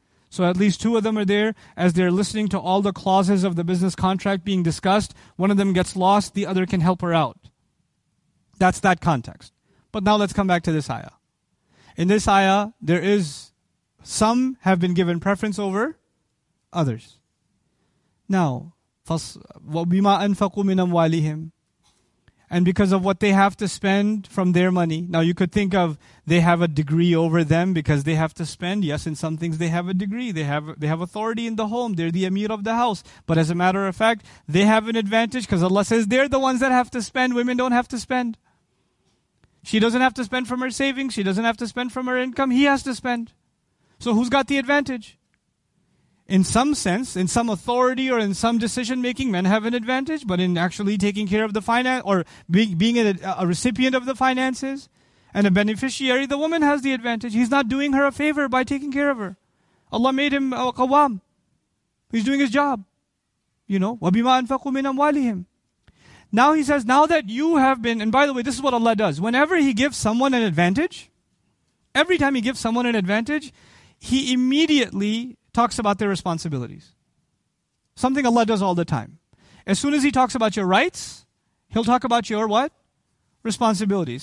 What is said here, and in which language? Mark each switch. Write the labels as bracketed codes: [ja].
[en] So at least two of them are there as they're listening to all the clauses of the business contract being discussed. One of them gets lost, the other can help her out. That's that context. But now let's come back to this ayah. In this ayah, there is some have been given preference over others. Now, [ar] وَبِمَا أَنْفَقُوا مِنْ أَمْوَالِهِمْ. [en] And because of what they have to spend from their money. Now you could think of they have a degree over them because they have to spend. Yes, in some things they have a degree. They have authority in the home. They're the emir of the house. But as a matter of fact, they have an advantage because Allah says they're the ones that have to spend. Women don't have to spend. She doesn't have to spend from her savings. She doesn't have to spend from her income. He has to spend. So who's got the advantage? In some sense, in some authority or in some decision making, men have an advantage, but in actually taking care of the finance or being a recipient of the finances and a beneficiary, the woman has the advantage. He's not doing her a favor by taking care of her. Allah made him a qawwam. He's doing his job. You know, [ar] وَبِمَا أَنْفَقُوا مِنْ أَمْوَالِهِمْ. [en] Now he says, now that you have been, and by the way, this is what Allah does. Whenever he gives someone an advantage, every time he gives someone an advantage, he immediately talks about their responsibilities. Something Allah does all the time. As soon as He talks about your rights, He'll talk about your what? Responsibilities.